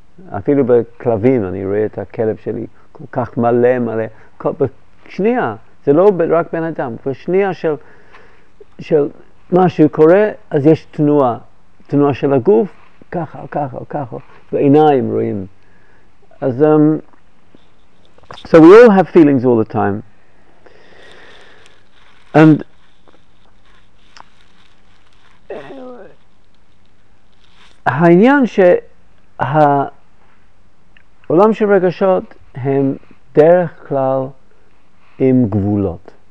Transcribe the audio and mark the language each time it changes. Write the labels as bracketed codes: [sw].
[he] אפילו בכלבים, אני רואה את הכלב שלי כל כך מלא, מלא, כל, בשנייה. זה לא רק בן אדם, בשנייה של משהו קורה, אז יש תנועה של הגוף, ככה, ועיניים רואים. [en] אז, so we all have feelings all the time. [he] And העניין שהעולם של רגשות הם דרך כלל עם גבולות.